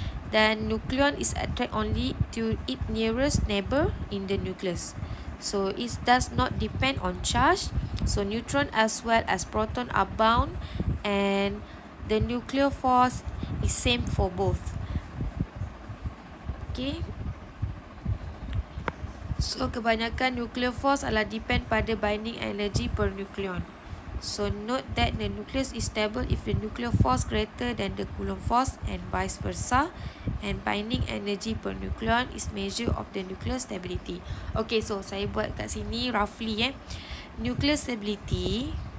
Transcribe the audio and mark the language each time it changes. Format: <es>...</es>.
<en>Then nucleon is attract only to its nearest neighbor in the nucleus. So it does not depend on charge. So neutron as well as proton are bound, and the nuclear force is same for both. Okay.</en> <ms>So kebanyakan nuclear force adalah depend pada binding energy per nucleon.</ms> <en>So note that the nucleus is stable if the nuclear force greater than the Coulomb force and vice versa, and binding energy per nucleon is measure of the nuclear stability.</en> <ms>Okay, so saya buat kat sini roughly eh. Nuclear stability.</ms>